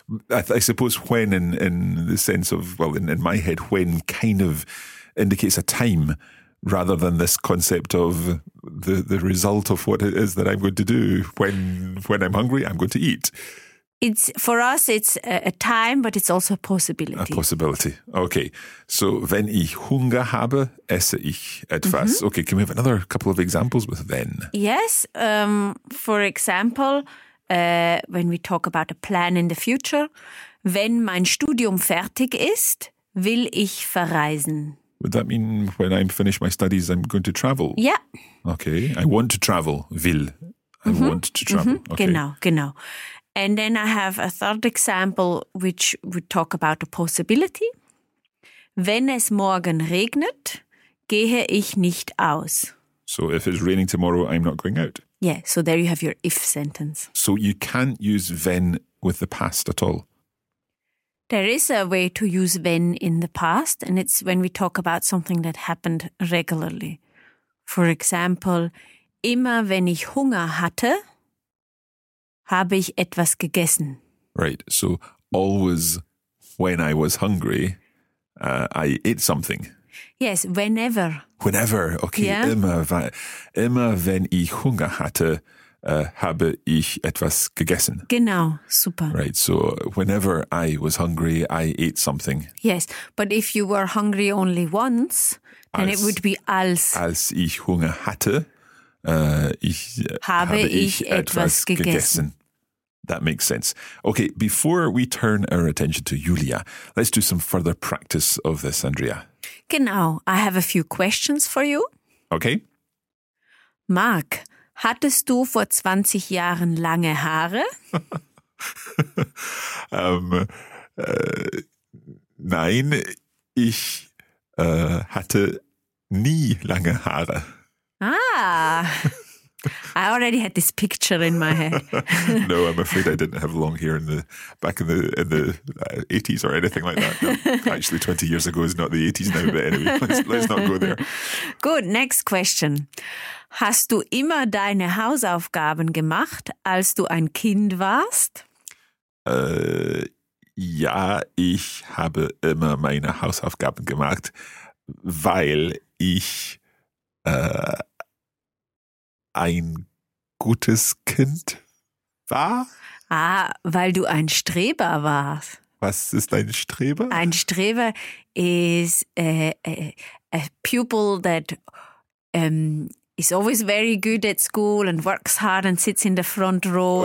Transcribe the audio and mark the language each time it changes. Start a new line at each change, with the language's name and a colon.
English: I suppose when in the sense of, well, in my head, when kind of indicates a time rather than this concept of the result of what it is that I'm going to do. When I'm hungry, I'm going to eat. It's for us, it's a time, but it's also a possibility. A possibility. Okay.
German: So, wenn ich Hunger habe, esse ich etwas. Mm-hmm.
English: Okay, can we have another couple of examples with then? Yes. For example, when we talk about a plan in the future,
German: wenn mein Studium fertig ist, will ich verreisen.
English: Would that mean when I finish my studies, I'm going to travel? Yeah. Okay. I want to travel. Will. I mm-hmm. want to travel. Mm-hmm. Okay.
German: Genau.
English: And then I have a third example, which would talk about a possibility.
German: Wenn es morgen regnet, gehe ich nicht aus.
English: So if it's raining tomorrow, I'm not going out. Yeah, so there you have your if sentence. So you can't use wenn with the past at all? There is a way to use wenn in the past, and it's when we talk about something that happened regularly. For example,
German: immer wenn ich Hunger hatte, habe ich etwas gegessen.
English: Right, so always when I was hungry, I ate something. Yes, whenever. Whenever, okay. Yeah.
German: Immer wenn ich Hunger hatte, habe ich etwas gegessen. Genau, super.
English: Right, so whenever I was hungry, I ate something. Yes, but if you were hungry only once, then it would be als.
German: Als ich Hunger hatte. Habe ich etwas gegessen.
English: That makes sense. Okay, before we turn our attention to Julia, let's do some further practice of this, Andrea.
German: Genau,
English: I have a few questions for you. Okay.
German: Mark, hattest du vor 20 Jahren lange Haare? nein, ich hatte nie lange Haare.
English: Ah, I already had this picture in my head. No, I'm afraid I didn't have long hair back in the 80s or anything like that. No, actually, 20 years ago is not the 80s now, but anyway, let's not go there. Good, next question.
German: Hast du immer deine Hausaufgaben gemacht, als du ein Kind warst? Ja, ich habe immer meine Hausaufgaben gemacht, weil ich ein gutes Kind war? Ah, weil du ein Streber warst. Was ist ein Streber?
English: Ein Streber is a pupil that is always very good at school and works hard and sits in the front row